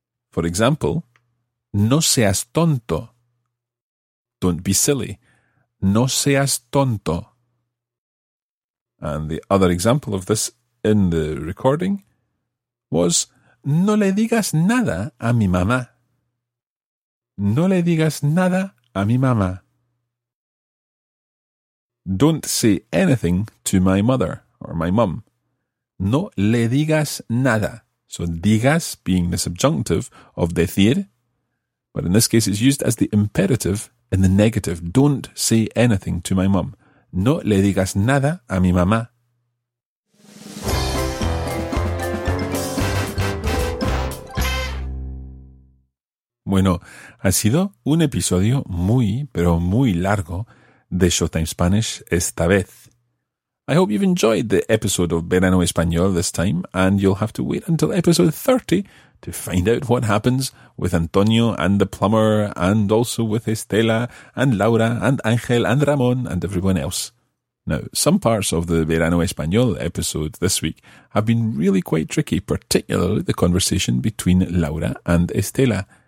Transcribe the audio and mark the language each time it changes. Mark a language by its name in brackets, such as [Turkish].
[English] For example, [Spanish] no seas tonto. [English] Don't be silly. [Spanish] No seas tonto. [English] And the other example of this in the recording was [Spanish] no le digas nada a mi mamá. No le digas nada a mi mamá. [English] Don't say anything to my mother or my mum. [Spanish] No le digas nada. [English] So digas being the subjunctive of decir, but in this case, it's used as the imperative in the negative. Don't say anything to my mum. [Spanish] No le digas nada a mi mamá. Bueno, ha sido un episodio muy, pero muy largo de Showtime Spanish esta vez. [English] I hope you've enjoyed the episode of Verano Español this time, and you'll have to wait until episode 30 to find out what happens with Antonio and the plumber, and also with Estela and Laura and Ángel and Ramón and everyone else. Now, some parts of the Verano Español episode this week have been really quite tricky, particularly the conversation between Laura and Estela.